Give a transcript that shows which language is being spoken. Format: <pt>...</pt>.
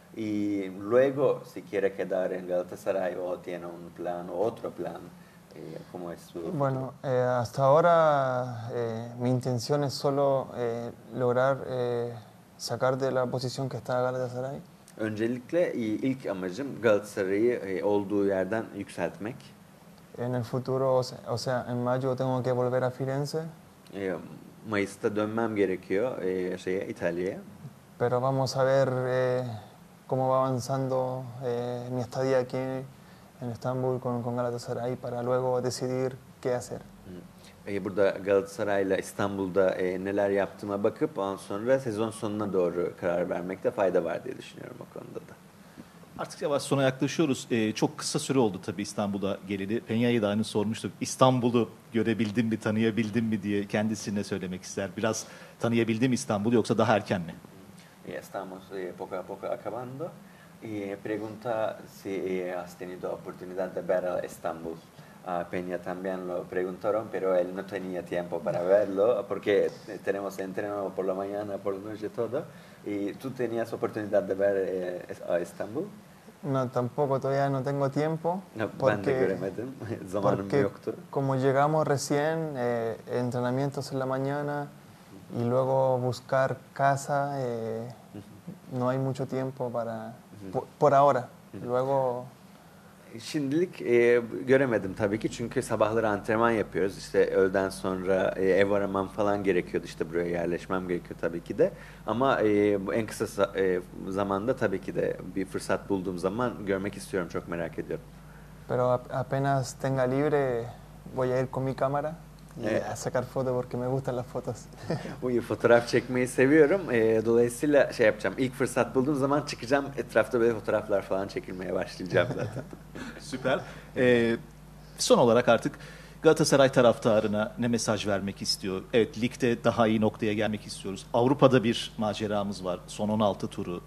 <es>Y luego si quiere quedar en Galatasaray o tiene un plan o otro plan, ¿cómo es su...? Bueno, hasta ahora mi intención es solo lograr sacar de la posición que está Galatasaray.</es> <tr>Öncelikle ilk amacım Galatasaray'ı olduğu yerden yükseltmek.</tr> <es>En el futuro, o sea, en mayo tengo que volver a Firenze.</es> <tr>Mayıs'ta dönmem gerekiyor İtalya'ya.</tr> <es>Pero vamos a ver cómo va avanzando mi estadía aquí en Estambul con Galatasaray para luego decidir qué hacer.</es> <tr>Burada Galatasaray'la İstanbul'da neler yaptığıma bakıp ondan sonra sezon sonuna doğru karar vermekte fayda var diye düşünüyorum o konuda da. Artık yavaş sona yaklaşıyoruz. Çok kısa süre oldu tabii İstanbul'a geleli. Penya'yı da aynı sormuştuk. İstanbul'u görebildin mi, tanıyabildin mi diye kendisine söylemek ister. Biraz tanıyabildin mi İstanbul'u yoksa daha erken mi?</tr> <es>Estamos poco a poco acabando. Pregunta si has tenido oportunidad de ver a Estambul. A Peña también lo preguntaron, pero él no tenía tiempo para verlo, porque tenemos entreno por la mañana, por la noche, todo. ¿Y tú tenías oportunidad de ver a Estambul? No, tampoco, todavía no tengo tiempo. Porque,</es> <tr>ben de göremedim, zamanım yoktu.</tr> <es>Como llegamos recién, entrenamientos en la mañana, y luego buscar casa, no hay mucho tiempo para, por ahora, luego...</es> <tr>Şimdilik göremedim tabii ki çünkü sabahları antrenman yapıyoruz. İşte öğleden sonra ev aramam falan gerekiyordu. İşte buraya yerleşmem gerekiyor tabii ki de. Ama en kısa zamanda tabii ki de bir fırsat bulduğum zaman görmek istiyorum. Çok merak ediyorum.</tr> <es>Pero apenas tenga libre voy a ir con mi cámara y a sacar foto porque me gustan las fotos.</es> <tr>Fotoğraf çekmeyi seviyorum. Dolayısıyla şey yapacağım. İlk fırsat bulduğum zaman çıkacağım. Etrafta böyle fotoğraflar falan çekilmeye başlayacağım zaten. Süper. Son olarak artık Galatasaray taraftarına ne mesaj vermek istiyor? Evet, ligde daha iyi noktaya gelmek istiyoruz. Avrupa'da bir maceramız var. Son 16 turu.</tr>